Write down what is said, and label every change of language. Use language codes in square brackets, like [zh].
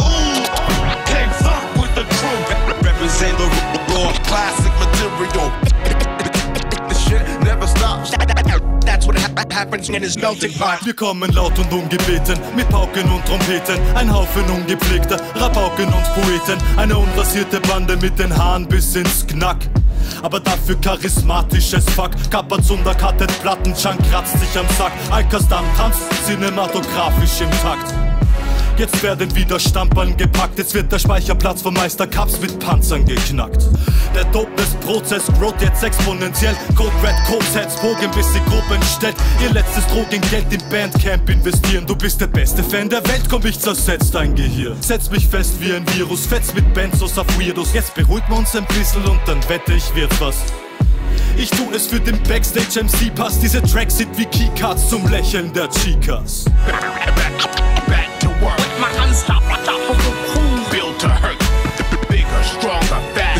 [en] Ooh, can't fuck with the crew. Represent the raw classic material. The shit never stops. That's what happens in his melting pot. [de] Wir kommen laut und ungebeten, mit Pauken und Trompeten. Ein Haufen ungepflegter Rabauken und Poeten. Eine unrasierte Bande mit den Haaren bis ins Knack. Aber dafür charismatisches Fuck. Kapazunda cuttet Platten, Chunk kratzt sich am Sack. Alkastan tanzt cinematografisch im Takt. Jetzt werden wieder Stampern gepackt. Jetzt wird der Speicherplatz von Meister Cups mit Panzern geknackt. Der Dopeness-Prozess growt jetzt exponentiell. Code Red, Code Sets, Bogen, bis die Gruppe entstellt. Ihr letztes Drogengeld in Bandcamp investieren. Du bist der beste Fan der Welt, komm, ich zersetz dein Gehirn. Setz mich fest wie ein Virus, fetz mit Benzos auf Weirdos. Jetzt beruhigt man uns ein bisschen und dann wette ich, wird's was. Ich tu es für den Backstage-MC-Pass. Diese Tracks sind wie Keycards zum Lächeln der Chicas. [en] With my unstoppable crew built to hurt. Bigger, stronger, faster.